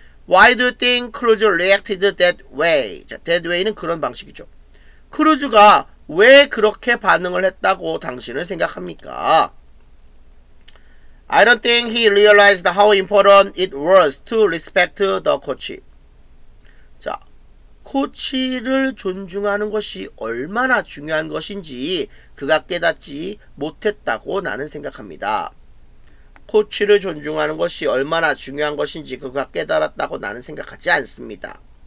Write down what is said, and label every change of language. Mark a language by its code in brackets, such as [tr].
[en] Why do you think Cruz reacted that way? [ko] 자, that way는 그런 방식이죠. 크루즈가 왜 그렇게 반응을 했다고 당신은 생각합니까? [en] I don't think he realized how important it was to respect the coach. [ko] 자, 코치를 존중하는 것이 얼마나 중요한 것인지 그가 깨닫지 못했다고 나는 생각합니다. 코치를 존중하는 것이 얼마나 중요한 것인지 그가 깨달았다고 나는 생각하지 않습니다.